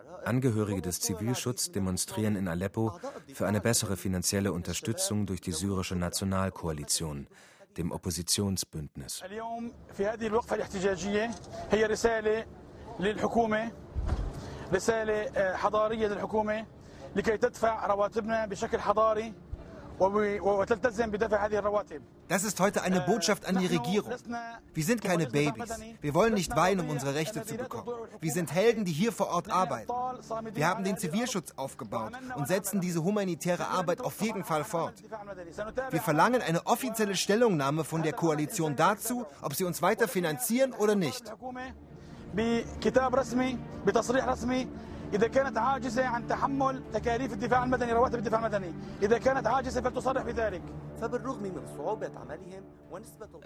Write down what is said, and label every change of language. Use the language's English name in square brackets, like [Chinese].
[German] Angehörige des Zivilschutzes demonstrieren in Aleppo für eine bessere finanzielle Unterstützung durch die syrische Nationalkoalition, dem Oppositionsbündnis. [Arabic] رسالة حضارية للحكومة لكي تدفع رواتبنا بشكل حضاري وتلتزم بدفع هذه الرواتب. [German] Das ist heute eine Botschaft an die Regierung. Wir sind keine Babys. Wir wollen nicht weinen, um unsere Rechte zu bekommen. Wir sind Helden, die hier vor Ort arbeiten. Wir haben den Zivilschutz aufgebaut und setzen diese humanitäre Arbeit auf jeden Fall fort. Wir verlangen eine offizielle Stellungnahme von der Koalition dazu, ob sie uns weiter finanzieren oder nicht. [Arabic] بكتاب رسمي بتصريح رسمي إذا كانت عاجزة عن تحمل تكاليف الدفاع المدني رواتب الدفاع المدني إذا كانت عاجزة فلتصرح بذلك. فبالرغم من صعوبة عملهم ونسبة